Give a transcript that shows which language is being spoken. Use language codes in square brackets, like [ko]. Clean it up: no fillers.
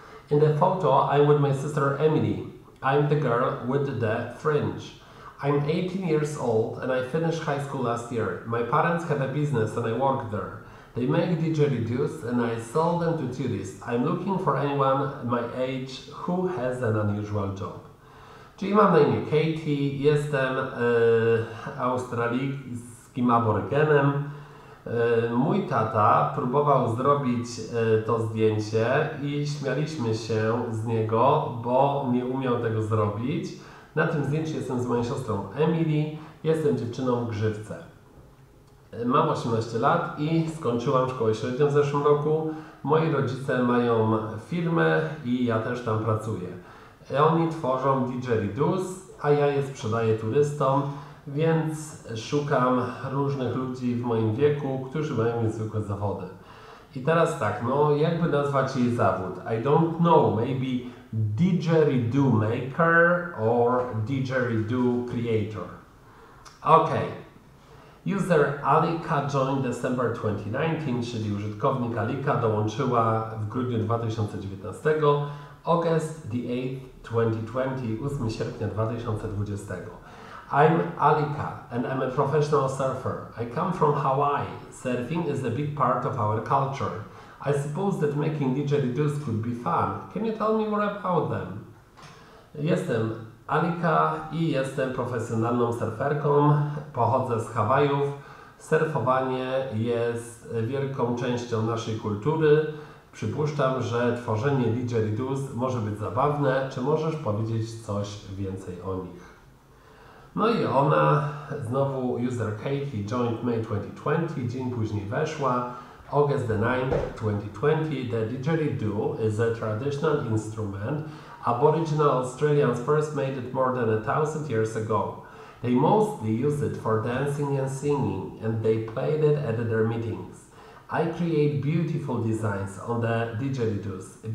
[en] In the photo, I'm with my sister Emily. I'm the girl with the fringe. I'm 18 years old and I finished high school last year. My parents have a business and I work there. They make didgeridoos and I sell them to tourists. I'm looking for anyone my age who has an unusual job. [pl] Czyli mam na imię Katie, jestem australijskim aborygenem. Mój tata próbował zrobić to zdjęcie i śmialiśmy się z niego, bo nie umiał tego zrobić. Na tym zdjęciu jestem z moją siostrą Emily, jestem dziewczyną w grzywce. Mam 18 lat i skończyłam szkołę średnią w zeszłym roku. Moi rodzice mają firmę i ja też tam pracuję. Oni tworzą didgeridoos, a ja je sprzedaję turystom, więc szukam różnych ludzi w moim wieku, którzy mają niezwykłe zawody. I teraz tak, jakby nazwać jej zawód? [en] I don't know, maybe didgeridoo maker or didgeridoo creator. Okay. User Alika joined December 2019, [pl] czyli użytkownik Alika dołączyła w grudniu 2019, [en] August the 8th, 2020, [pl] 8 sierpnia 2020. [en] I'm Alika and I'm a professional surfer. I come from Hawaii. Surfing is a big part of our culture. I suppose that making didgeridoos could be fun. Can you tell me more about them? [pl] Jestem Alika i jestem profesjonalną surferką, pochodzę z Hawajów. Surfowanie jest wielką częścią naszej kultury. Przypuszczam, że tworzenie didgeridoos może być zabawne. Czy możesz powiedzieć coś więcej o nich? No i ona, znowu [en] user Katie, joined May 2020, [pl] dzień później weszła. [en] August the 9th, 2020, the didgeridoo is a traditional instrument. Aboriginal Australians first made it more than 1,000 years ago. They mostly used it for dancing and singing, and they played it at their meetings. I create beautiful designs on the didgeridoos.